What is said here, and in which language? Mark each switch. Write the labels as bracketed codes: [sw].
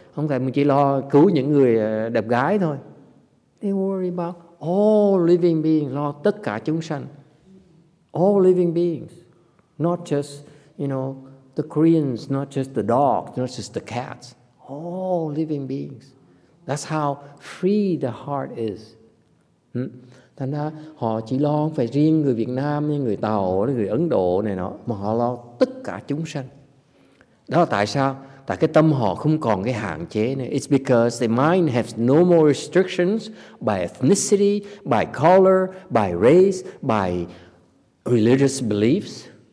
[vi] Không phải mình chỉ lo cứu những người đẹp gái thôi. [en] They worry about all living beings, [vi] lo tất cả chúng sanh. [en] All living beings, not just, you know, the Koreans, not just the dogs, not just the cats. All living beings. That's how free the heart is. [vi] Thành ra họ chỉ lo không phải riêng người Việt Nam, người Tàu, người Ấn Độ này nọ, mà họ lo tất cả chúng sanh. Đó là tại sao? Tại cái tâm họ không còn cái hạn chế này. [en] It's because the mind has no more restrictions by ethnicity, by color, by race, by religious beliefs.